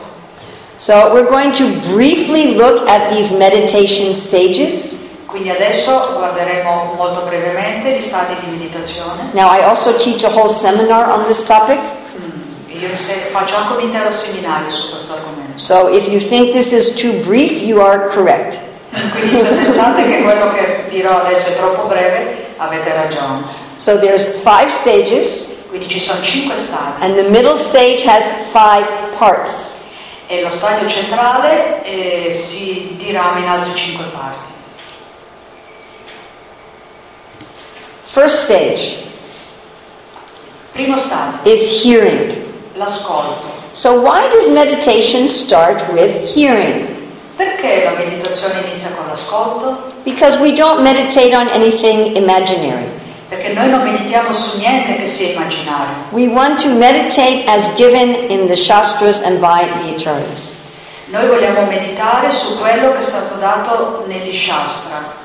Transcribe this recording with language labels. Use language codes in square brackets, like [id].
[en] 8. So we're going to briefly look at these meditation stages. [it] Quindi adesso guarderemo molto brevemente gli stadi di meditazione. [en] Now I also teach a whole seminar on this topic. [it] Io faccio anche un intero seminario su questo argomento. [en] So if you think this is too brief, you are correct. [it] Quindi se pensate che quello che dirò adesso è troppo breve, avete ragione. [en] So there's five stages. [it] Quindi ci sono cinque stadi. [en] And the middle stage has five parts. [it] E lo stadio centrale si dirama in altre cinque parti. [en] First stage. [it] Primo stadio. [en] Is hearing. [it] L'ascolto. [en] So why does meditation start with hearing? [it] Perché la meditazione inizia con l'ascolto? [en] Because we don't meditate on anything imaginary. [it] Perché noi non meditiamo su niente che sia immaginario. [en] We want to meditate as given in the Shastras and by the Acharyas. [it] Noi vogliamo meditare su quello che è stato dato negli Shastra.